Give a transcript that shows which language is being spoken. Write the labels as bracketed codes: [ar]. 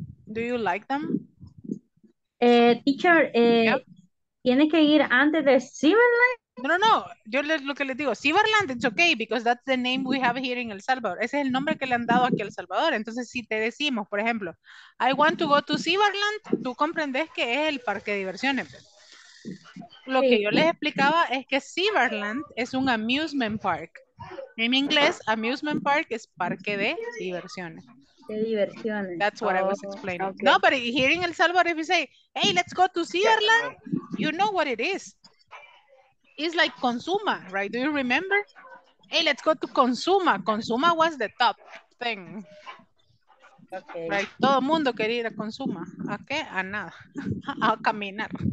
[en] Do you like them? [es] Teacher, ¿tiene que ir antes de Cyberland? No. Yo lo que les digo, [en] Cyberland, it's okay, because that's the name we have here in El Salvador. [es] Ese es el nombre que le han dado aquí a El Salvador. Entonces, si te decimos, por ejemplo, [en] I want to go to Cyberland, [es] tú comprendes que es el parque de diversiones. Lo que yo les explicaba es que Cyberland es un amusement park. En inglés, amusement park es parque de diversiones. De diversiones. [en] That's what I was explaining. Okay. No, but here in El Salvador, if you say, hey, let's go to Cyberland, you know what it is. It's like Consuma, right? Do you remember? Hey, let's go to Consuma. Consuma was the top thing. Okay. [es] Right? Todo el mundo quería ir a Consuma. ¿A qué? A nada. A caminar.